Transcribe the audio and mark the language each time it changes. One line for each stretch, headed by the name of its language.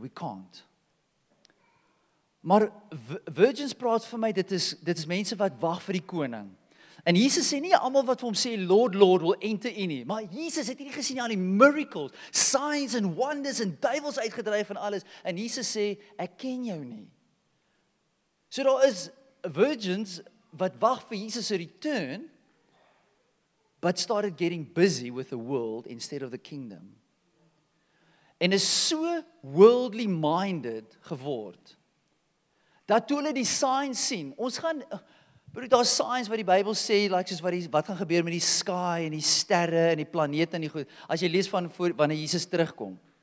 English: We can't.
Afrikaans: Maar virgins praat vir my, dit is mense wat wag vir die koning. En Jesus sê nie almal wat vir hom sê,
English: Lord, Lord, will enter in
Afrikaans: nie. Maar Jesus het hierdie gesien aan die
English: miracles, signs and wonders
Afrikaans: and duivels uitgedryf en alles. En Jesus sê, ek ken jou nie. So daar is virgins wat wag vir Jesus' return,
English: but started getting busy with the world instead of the kingdom.
Afrikaans: En is so
English: worldly minded
Afrikaans: geword, dat toe hulle die signs sien, ons gaan, broer, daar is signs wat die Bybel sê, like soos wat gaan gebeur met die sky en die sterre en die planeet en die goed, as jy lees van voor, wanneer Jesus terugkom.